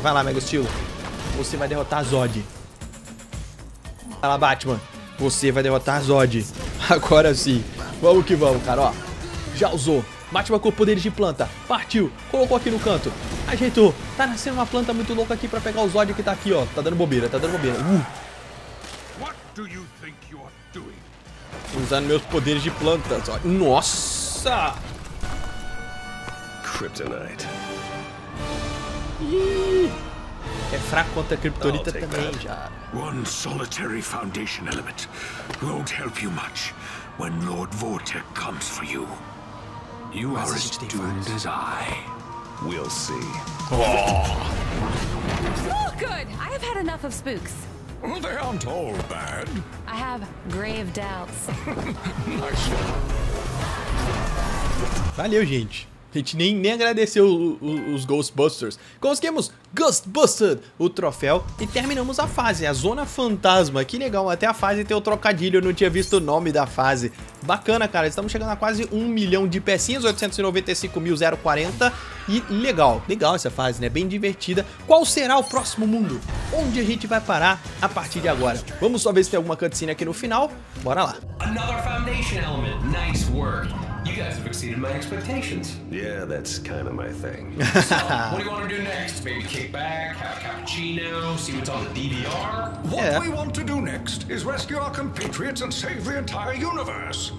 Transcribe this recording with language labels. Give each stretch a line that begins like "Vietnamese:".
Portuguese: Vai lá, Mega Steel. Você vai derrotar Zod. Vai lá, Batman. Você vai derrotar Zod. Agora sim. Vamos que vamos, cara. Ó, já usou. Batman com poderes de planta. Partiu. Colocou aqui no canto. Ajeitou. Tá nascendo uma planta muito louca aqui pra pegar o Zod que tá aqui, ó. Tá dando bobeira, tá dando bobeira.
English: What do you think you're doing?
Portuguese: Usando meus poderes de planta, Zod. Nossa! Kryptonite. Ih! É fraco contra a Kryptonita também, já.
English: One solitary foundation element won't help you much when Lord Vortec comes for you. You are as doomed as I. We'll see. Oh. Oh, good! I have had enough of spooks. Well, they aren't all bad. I have grave doubts. Nice.
Portuguese: Valeu, gente. A gente nem agradeceu os Ghostbusters. Conseguimos Ghostbusted o troféu e terminamos a fase, a Zona Fantasma. Que legal, até a fase tem o trocadilho, eu não tinha visto o nome da fase. Bacana, cara, estamos chegando a quase 1 milhão de pecinhas, 895.040. E legal, legal essa fase, né? Bem divertida. Qual será o próximo mundo? Onde a gente vai parar a partir de agora? Vamos só ver se tem alguma cutscene aqui no final. Bora lá.
English: Another foundation element, nice work. You guys have exceeded my expectations. Yeah, that's kind of my thing. So, what do you want to do next? Maybe kick back, have a cappuccino, see what's on the DVR? What we want to do next is rescue our compatriots and save the entire universe.